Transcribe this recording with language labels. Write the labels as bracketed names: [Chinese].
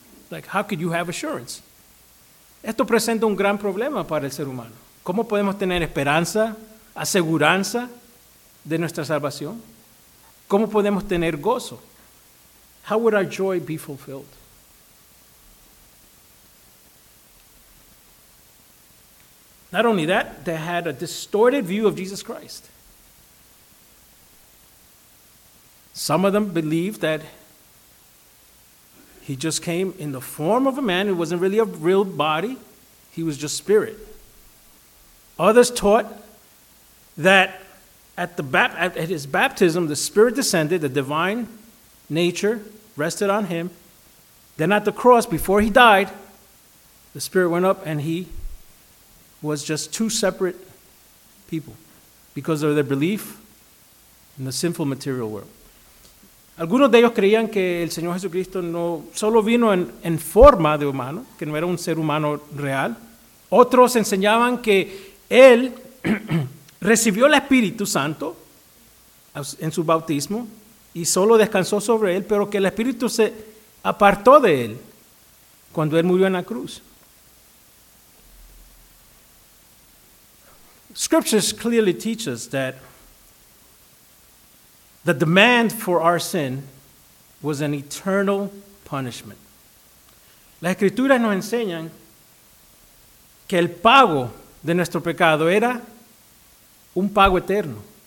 [English] Like, how could you have assurance? [Spanish] Esto presenta un gran problema para el ser humano. ¿Cómo podemos tener esperanza, aseguranza de nuestra salvación? ¿Cómo podemos tener gozo? [English] How would our joy be fulfilled? Not only that, they had a distorted view of Jesus Christ. Some of them believed that he just came in the form of a man who wasn't really a real body. He was just spirit. Others taught that at his baptism, the spirit descended, the divine nature rested on him. Then at the cross, before he died, the spirit went up and he was just two separate people because of their belief in the sinful material world. [Spanish] Algunos de ellos creían que el Señor Jesucristo no solo vino en forma de humano, que no era un ser humano real. Otros enseñaban que él recibió el Espíritu Santo en su bautismo y solo descansó sobre él, pero que el Espíritu se apartó de él cuando él murió en la cruz. [English] Scriptures clearly teach us that the demand for our sin was an eternal punishment. [Spanish] Las escrituras nos enseñan que el pago de nuestro pecado era un pago eterno.